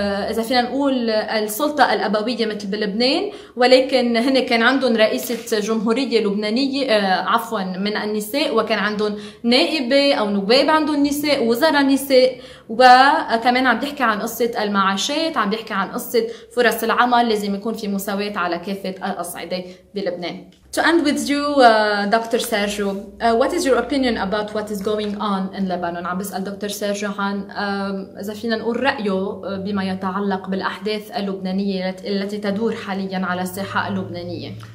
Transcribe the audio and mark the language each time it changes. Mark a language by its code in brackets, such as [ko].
[ar] إذا فينا نقول السلطة الأبوية مثل بلبنان ولكن هن كان عندهم رئيسة جمهورية لبنانية عفوا من النساء وكان عندهم نائبة أو نواب عندهم نساء وزراء نساء وكمان عم بيحكي عن قصة المعاشات عم بيحكي عن قصة فرص العمل لازم يكون في مساواة على كافة الأصعدة بلبنان [en] To end with you, Dr. Sergio, what is your opinion about what is going on in Lebanon? [ar] عم بسأل دكتور سيرجيو عن إذا فينا نقول رأيه بما يتعلق بالأحداث اللبنانية التي تدور حاليا على الساحة اللبنانية.